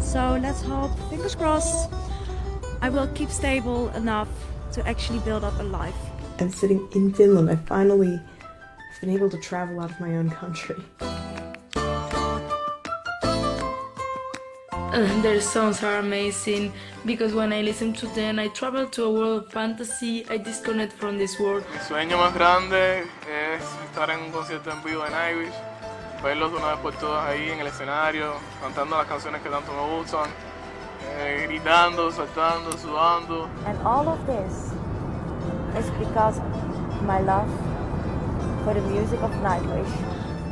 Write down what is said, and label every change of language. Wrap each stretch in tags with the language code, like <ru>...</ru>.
<en>So let's hope, fingers crossed, I will keep stable enough to actually build up a life. And sitting in Finland, I finally been able to travel out of my own country. Their songs are amazing because when I listen to them, I travel to a world of fantasy. I disconnect from this world.</en> <es>Mi sueño más grande es estar en un concierto en vivo de Nightwish, verlos una vez por todas ahí en el escenario, cantando las canciones que tanto me gustan, gritando, saltando, sudando.</es> <en>And all of this is because my love for the music of Nightwish.</en>